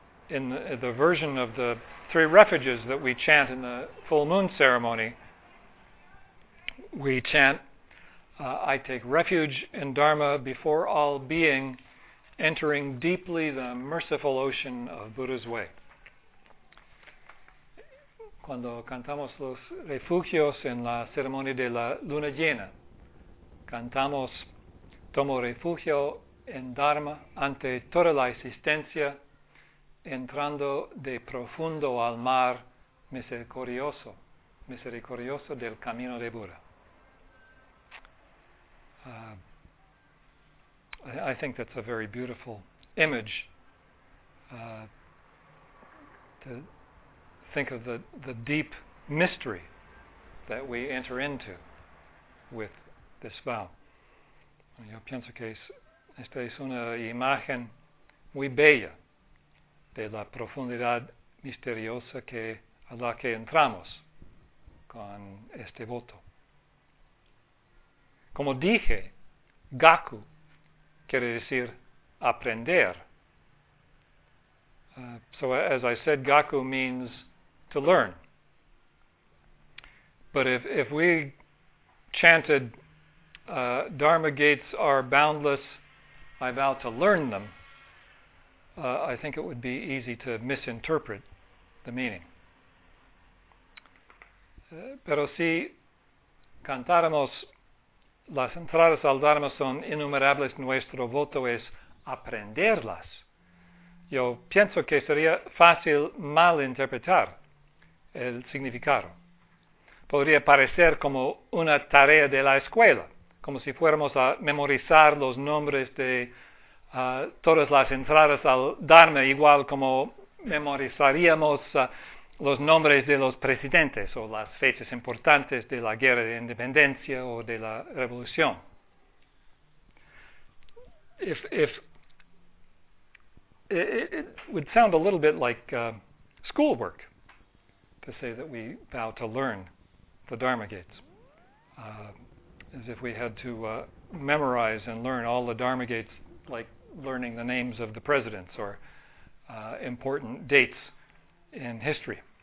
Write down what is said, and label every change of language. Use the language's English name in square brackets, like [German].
[English] In the version of the three refuges that we chant in the full moon ceremony, we chant, I take refuge in Dharma before all being, entering deeply the merciful ocean of Buddha's way. [Spanish] Cuando cantamos los refugios en la ceremonia de la luna llena, cantamos, tomo refugio en Dharma ante toda la existencia, entrando de profundo al mar misericordioso del camino de Buda. [English] I think that's a very beautiful image to think of the deep mystery that we enter into with this vow. [Spanish] Yo pienso que esta es una imagen muy bella de la profundidad misteriosa que a la que entramos con este voto. Como dije, gaku quiere decir aprender. [English] So as I said, gaku means to learn. But if we chanted Dharma gates are boundless, I vow to learn them, I think it would be easy to misinterpret the meaning. [Spanish] Pero si cantáramos las entradas al Dharma son innumerables, nuestro voto es aprenderlas. Yo pienso que sería fácil malinterpretar el significado. Podría parecer como una tarea de la escuela, como si fuéramos a memorizar los nombres de todas las entradas al Dharma, igual como memorizaríamos los nombres de los presidentes o las fechas importantes de la guerra de independencia o de la revolución. [English] It would sound a little bit like schoolwork to say that we vow to learn the Dharma gates. As if we had to memorize and learn all the Dharma gates, like learning the names of the presidents or important dates in history.